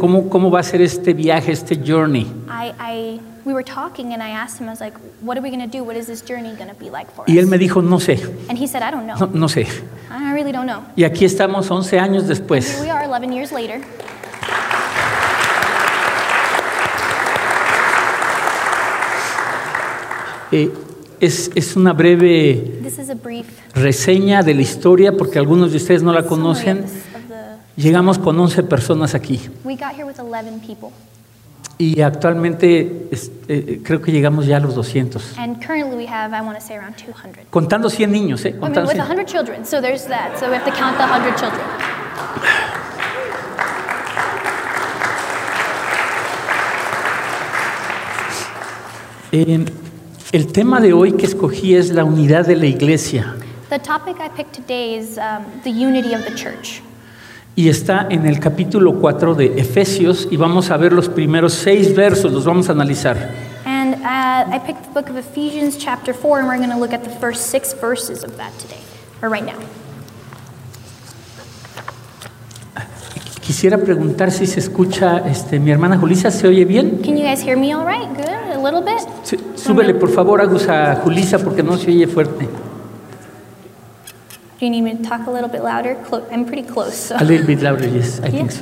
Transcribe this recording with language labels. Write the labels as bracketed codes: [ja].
[es] ¿Cómo va a ser este viaje, este journey? [en] We were talking and I asked him, I was like, what are we going to do? What is this journey going to be like for us? [es] Y él me dijo, no sé. [en] And he said, I don't know. [es] No sé. [en] I really don't know. [es] Y aquí estamos 11 años después. [en] And here we are 11 years later. [es] Es una breve reseña de la historia, porque algunos de ustedes no la conocen. Llegamos con 11 personas aquí. [en] We got here with 11 people. [es] Y actualmente creo que llegamos ya a los 200. [en] And currently we have, I want to say, around 200. [es] Contando 100 niños, ¿eh? Contando, [en] I mean, with 100 children, so there's that. So we have to count the 100 children. [es] El tema de hoy que escogí es la unidad de la iglesia. [en] The topic I picked today is the unity of the church. [es] Y está en el capítulo 4 de Efesios y vamos a ver los primeros 6 versos, los vamos a analizar. [en] And I picked the book of Ephesians chapter 4 and we're going to look at the first 6 verses of that today, or right now. [es] Quisiera preguntar si se escucha mi hermana Julisa, ¿se oye bien? [en] Can you guys hear me all right? Good, a little bit. [es] Súbele por favor, Agus, a Julisa porque no se oye fuerte. [en] Do you need me to talk a little bit louder? I'm pretty close. So. A little bit louder, yes, I think so.